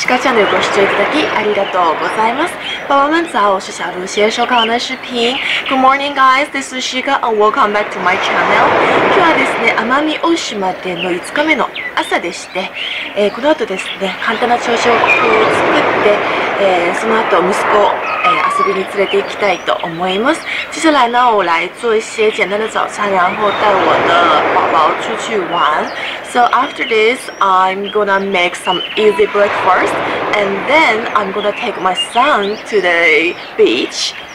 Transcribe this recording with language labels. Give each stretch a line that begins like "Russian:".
Japanese: シカチャンネルご視聴いただきありがとうございます。
Chinese: 宝宝们早，我是小鹿，谢谢收看我的视频。
English: Good morning, guys. This is Shika, and welcome back to my channel.
Japanese: 今日はですね、奄美大島での5日目の朝でして、この後ですね、簡単な朝食を作って、その後息子を、遊びに連れて行きたいと思います。
Chinese: 接下来呢，我来做一些简单的早餐，然后带我的宝宝出去玩。
English: So after this, I'm gonna make some easy breakfast, and then I'm gonna take my son to the beach.